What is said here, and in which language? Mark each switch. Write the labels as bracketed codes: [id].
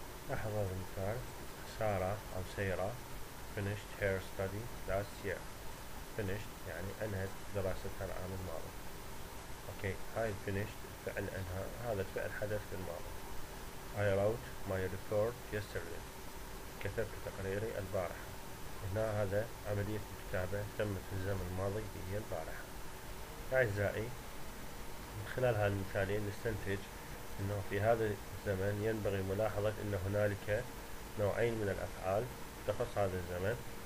[ar] لاحظ هذا المثال، سارة أو سيرة [en] finished her study last year، [ar] finished يعني أنهت دراستها العام الماضي. أوكي، هاي finished فعل أنهى، هذا فعل حدث في الماضي. [en] I wrote my report yesterday، [ar] كتبت تقريري البارحة. هنا هذا عملية الكتابة تمت في الزمن الماضي هي البارحة. أعزائي من خلال هالمثالين نستنتج انه في هذا الزمن ينبغي ملاحظة ان هنالك نوعين من الافعال تخص هذا الزمن.